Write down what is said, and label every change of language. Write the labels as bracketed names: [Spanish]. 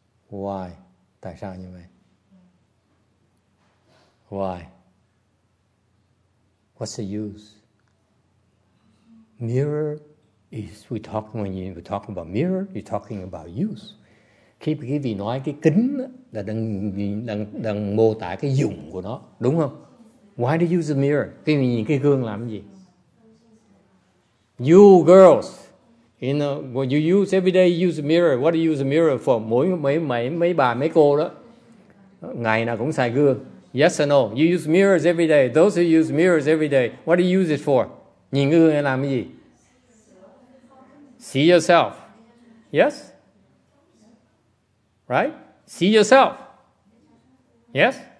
[English] Why? [Vietnamese] Tại sao như vậy? [English] Why? What's the use? Mirror is, we talk, when you talk about mirror, you're talking about use. [Vietnamese] Khi vì nói cái kính là đang mô tả cái dùng của nó, đúng không? [English] Why do you use a mirror? [Vietnamese] Khi mình nhìn cái gương làm gì? [English] You girls, you know, what you use every day, you use a mirror. What do you use a mirror for? [Vietnamese] Mấy bà, mấy cô đó, ngày nào cũng xài gương. [English] Yes or no? You use mirrors every day. Those who use mirrors every day, what do you use it for? [Vietnamese] Nhìn gương làm gì? [English] See yourself. Yes? Right? See yourself. Yes?